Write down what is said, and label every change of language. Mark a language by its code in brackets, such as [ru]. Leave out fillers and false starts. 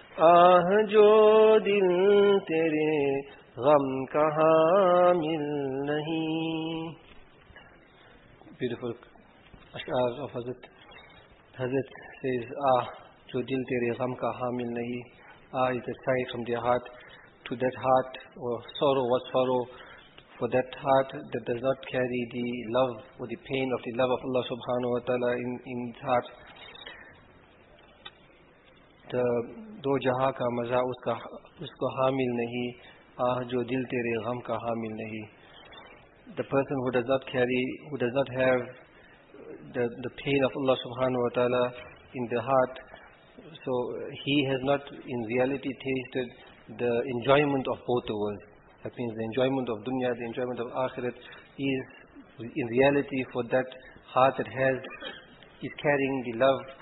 [ur] آہ جو دل تیرے غم کا حامل نہیں. [en] Beautiful اشعار of Hazrat. Hazrat says, [ur] آہ جو دل تیرے غم کا حامل نہیں. [en] Ah is a sigh from their heart to that heart, or sorrow, what sorrow for that heart that does not carry the love or the pain of the love of Allah subhanahu wa ta'ala in its heart. [ur] The دو جہاں کا مزہ اس کو حامل نہیں. آہ جو دل تیرے غم کا حامل نہیں. [en] The person who does not carry, who does not have the pain of Allah subhanahu wa ta'ala in the heart, so he has not in reality tasted the enjoyment of both the worlds. That means the enjoyment of dunya, the enjoyment of akhirat is in reality for that heart that has, is carrying the love